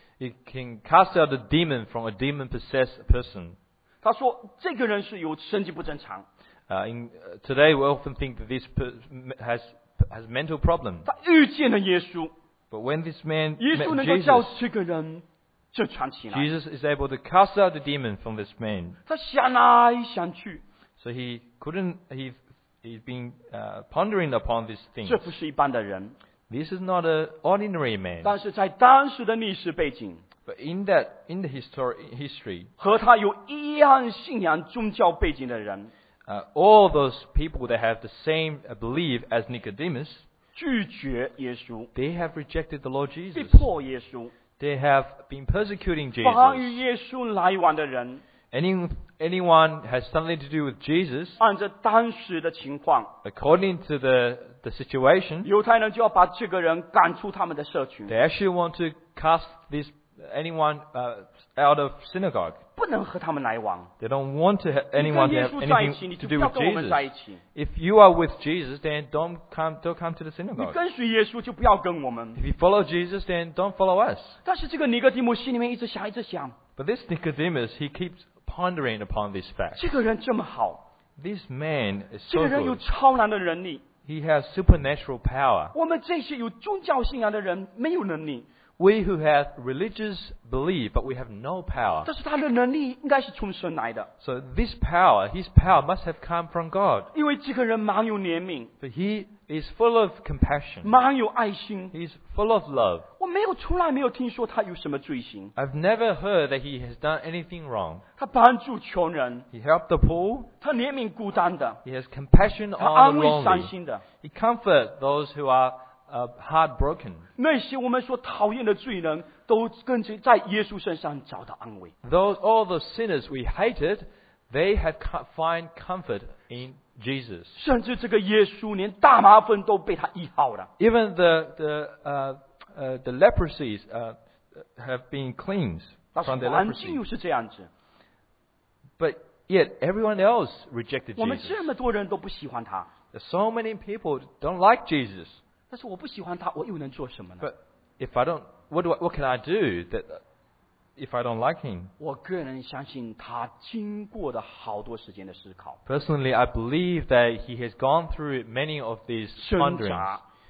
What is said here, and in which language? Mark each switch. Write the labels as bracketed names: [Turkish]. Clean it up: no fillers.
[English] He can cast out a demon from a demon possessed person. [Chinese] 他说这个人是有神经不正常。 [English] Today we often think that this has mental problems. [Chinese] 他遇见了耶稣。 [English] But when this man met Jesus is able to cast out the demon from this man. [Chinese] 他想来想去, [English] so he's been pondering upon this thing. [Chinese] 这不是一般的人, [English] this is not an ordinary man. [Chinese] 但是在当时的历史背景, [English] but in the history, [Chinese] 和他有一样信仰宗教背景的人, [English] all those people that have the same belief as Nicodemus, [Chinese] 拒绝耶稣 [English] They have rejected the Lord Jesus. [Chinese] 逼迫耶稣 [English] They have been persecuting Jesus. [Chinese] 妨与耶稣来往的人 [English] Anyone has something to do with Jesus. [Chinese] 按照当时的情况 [English] According to the situation, [Chinese] 犹太人就要把这个人赶出他们的社群 [English] They actually want to cast this anyone out of synagogue. [Chinese] 不能和他们来往 [English] They don't want to have anyone to have anything to do with Jesus. [Chinese] 你跟耶稣在一起，你就不要跟我们在一起。 [English] If you are with Jesus, then don't come to the synagogue. [Chinese] 你跟随耶稣就不要跟我们。 [English] If you follow Jesus, then don't follow us. [Chinese] 但是这个尼哥底母心里面一直想，一直想。 [English] But this Nicodemus, he keeps pondering upon this fact. [Chinese] 这个人这么好。 [English] This man is so good. [Chinese] 这个人有超然的能力。 [English] He has supernatural power. [Chinese] 我们这些有宗教信仰的人没有能力。 [English] We who have religious belief, but we have no power. [Chinese] 但是他的能力应该是从神来的。 [English] So this power, his power must have come from God. [Chinese] 因为这个人满有怜悯。 [English] But he is full of compassion. [Chinese] 满有爱心。 [English] He's full of love. [Chinese] 我没有从来没有听说他有什么罪行。 [English] I've never heard that he has done anything wrong. [Chinese] 他帮助穷人。 [English] He helped the poor. [Chinese] 他怜悯孤单的。 [English] He has compassion on the lonely. [Chinese] 他安慰伤心的。 [English] He comforts those who are heartbroken. [Chinese] 那些我们所讨厌的罪人都跟着在耶稣身上找到安慰。 [English] Those, all the sinners we hated, they have find comfort in Jesus. [Chinese] 甚至这个耶稣连大麻风都被他医好了。 [English] Even the leprosies have been cleansed from their leprosy. [Chinese] 但是环境又是这样子。 [English] But yet everyone else rejected Jesus. [Chinese] 我们这么多人都不喜欢他。 [English] So many people don't like Jesus. [Chinese] 但是我不喜欢他，我又能做什么呢？ [English] But if I don't, what can I do that if I don't like him. [Chinese] 我个人相信他经过的好多时间的思考。 [English] Personally, I believe that he has gone through many of these ponderings.